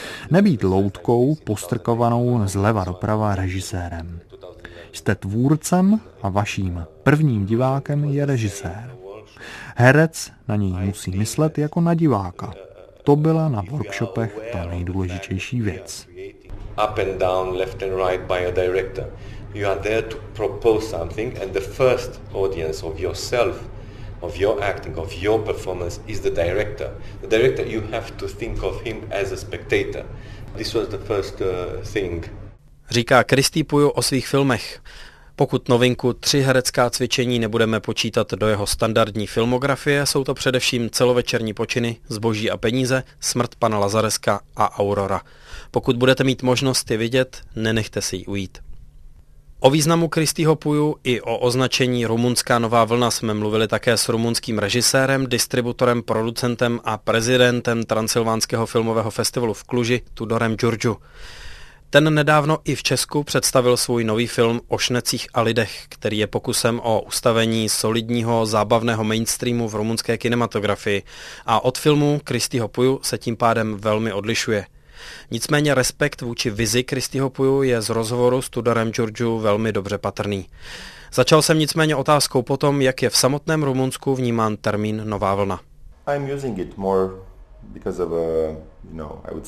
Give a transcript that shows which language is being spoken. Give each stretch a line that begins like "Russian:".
Czech: Nebýt loutkou postrkovanou zleva doprava režisérem. Jste tvůrcem a vaším prvním divákem je režisér. Herec na něj musí myslet jako na diváka. To byla na workshopech ta nejdůležitější věc.
English: Up and down, left and right by a director. You are there to propose something, and the first audience of yourself, of your acting, of your performance is the director. The director, you have to think of him as a spectator. This was the first thing.
Czech: Říká Kristý Pujo o svých filmech. Pokud novinku Tři herecká cvičení nebudeme počítat do jeho standardní filmografie, jsou to především Celovečerní počiny, Zboží a peníze, Smrt pana Lazareska a Aurora. Pokud budete mít možnost je vidět, nenechte si ji ujít. O významu Kristýho Puju i o označení Rumunská nová vlna jsme mluvili také s rumunským režisérem, distributorem, producentem a prezidentem Transylvánského filmového festivalu v Kluži, Tudorem Giurgiu. Ten nedávno i v Česku představil svůj nový film O šnecích a lidech, který je pokusem o ustavení solidního, zábavného mainstreamu v rumunské kinematografii a od filmu Kristýho Puju se tím pádem velmi odlišuje. Nicméně respekt vůči vizi Kristýho Puju je z rozhovoru s Tudorem Giurgiu velmi dobře patrný. Začal jsem nicméně otázkou po tom, jak je v samotném Rumunsku vnímán termín nová vlna.
English: I'm using it more because of a...